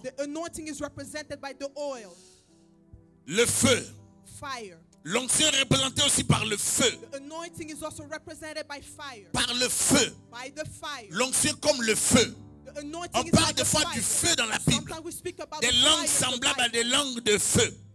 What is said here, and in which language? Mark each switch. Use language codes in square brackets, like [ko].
[en] The anointing is represented by the oil. [fr] Le feu. [en] Fire. [fr] L'onction est représentée aussi par le feu. [en] The anointing is also represented by fire. [fr] Par le feu. [en] By the fire. [fr] L'onction est comme le feu. On parle [en] like [fr] des fois du feu dans la Bible. Des langues semblables à des langues de feu.